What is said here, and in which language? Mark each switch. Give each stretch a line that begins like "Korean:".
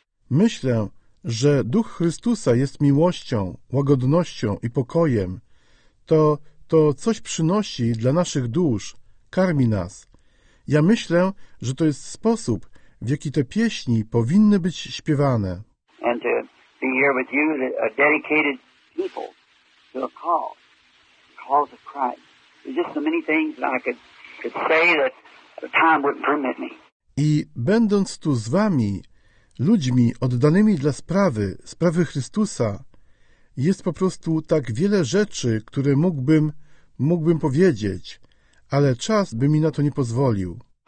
Polish: Myślę, że Duch Chrystusa jest miłością, łagodnością i pokojem. To coś przynosi dla naszych dusz, karmi nas. Ja myślę, że to jest sposób, w jaki te pieśni powinny być śpiewane.
English: And to be here with you, a dedicated people to a call, the cause of Christ. There's just so many things that I could say that the time wouldn't permit me.
Polish: I będąc tu z wami, ludźmi oddanymi dla sprawy Chrystusa, jest po prostu tak wiele rzeczy, które mógłbym powiedzieć, ale czas by mi na to nie pozwolił.